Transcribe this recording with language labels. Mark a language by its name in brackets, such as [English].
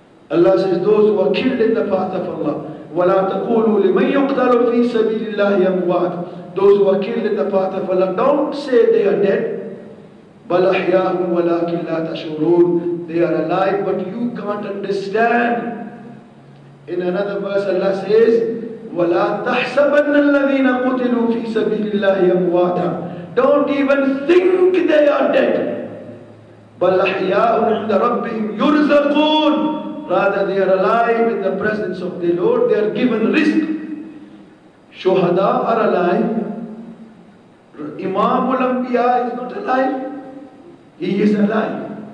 [English] Allah says, those who are killed in the path of Allah, [Arabic] وَلَا تَقُولُوا لِمَنْ يُقْتَلُ فِي سَبِيلِ اللَّهِ أَمْوَاتُ. [English] Those who are killed in the path of Allah, don't say they are dead. [Arabic] بَلْ أَحْيَاهُمْ وَلَكِنْ لَا تَشْعُرُونَ. [English] They are alive, but you can't understand. In another verse, Allah says, [Arabic] وَلَا تَحْسَبَنَّ الَّذِينَ قُتِلُوا فِي سَبِيلِ اللَّهِ أَمْوَاتًا. [English] Don't even think they are dead. [Arabic] بَلْ أَحْيَاهُمْ عِنْدَ رَبِّهِمْ يُرْزَقُونَ. [English] Rather, they are alive in the presence of the Lord. They are given rizq. Shuhada are alive. Imam al-Anbiya is not alive. He is alive.